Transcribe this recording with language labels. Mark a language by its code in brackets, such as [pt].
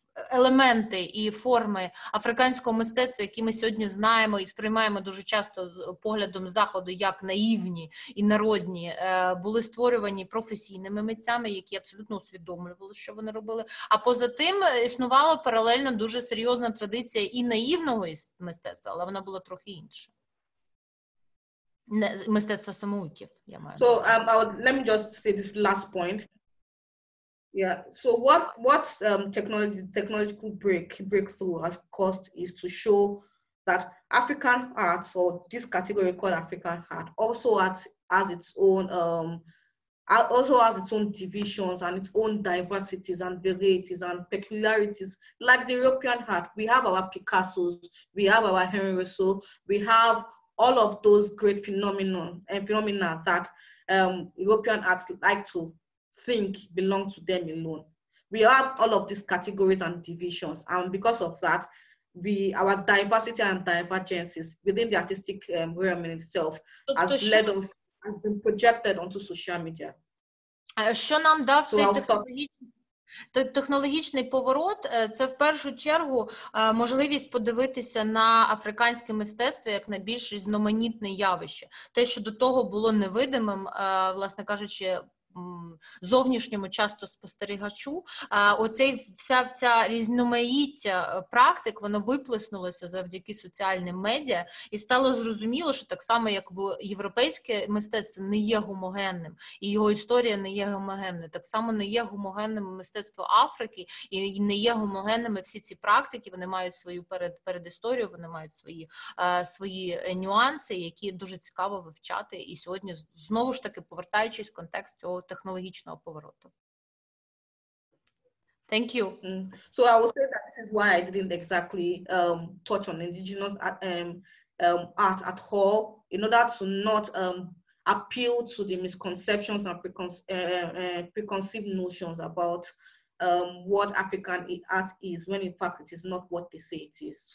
[uk] елементи і форми африканського мистецтва, які ми сьогодні знаємо і сприймаємо дуже часто з поглядом Заходу як наївні і народні, були створювані професійними митцями, які абсолютно усвідомлювали, що вони робили. А поза тим існувала паралельно дуже серйозна традиція і наївного мистецтва, але вона була трохи інша. Мистецтва самоуків, я маю. [en] So let me just say this last point. Yeah. So what technological breakthrough has caused is to show that African art, or this category called African art, also has its own also has its own divisions and its own diversities and varieties and peculiarities. Like the European art, we have our Picassos, we have our Henry Rousseau, we have all of those great phenomena that European arts like to think belong to them alone. We have all of these categories and divisions, and because of that, our diversity and divergences within the artistic realm in itself has been projected onto social media. [uk] Що нам дав цей технологічний поворот? Це в першу чергу можливість подивитися на африканське мистецтво як на більш різноманітне явище, те, що до того було невидимим, власне кажучи, зовнішньому часто спостерігачу. Оцей вся різноманіття практик, воно виплеснулося завдяки соціальним медіа, і стало зрозуміло, що так само, як в європейське мистецтво не є гомогенним, і його історія не є гомогенною, так само не є гомогенним мистецтво Африки, і не є гомогенними всі ці практики, вони мають свою передісторію, вони мають свої нюанси, які дуже цікаво вивчати, і сьогодні, знову ж таки, повертаючись в контекст цього технологічного повороту. [en] Thank you. So I will say that this is why I didn't exactly touch on indigenous art at all, in order to not appeal to the misconceptions and preconceived notions about what African art is, when in fact it is not what they say it is.